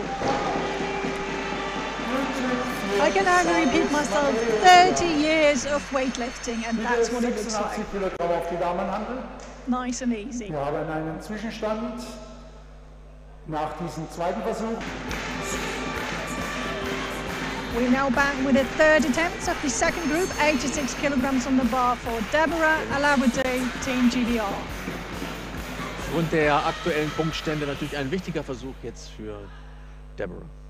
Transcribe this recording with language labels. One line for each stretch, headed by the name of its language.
English: I can only repeat myself, 30 years of weightlifting, and that's what it looks like.
German: 60 Kilogramm auf die Damenhandel.
English: Nice and easy.
German: Wir haben einen Zwischenstand nach diesem zweiten Versuch.
English: We're now back with a third attempt of the second group, 86 kilograms on the bar for Deborah Alawadi, Team GDR.
German: Aufgrund der aktuellen Punktstände natürlich ein wichtiger Versuch jetzt für Deborah.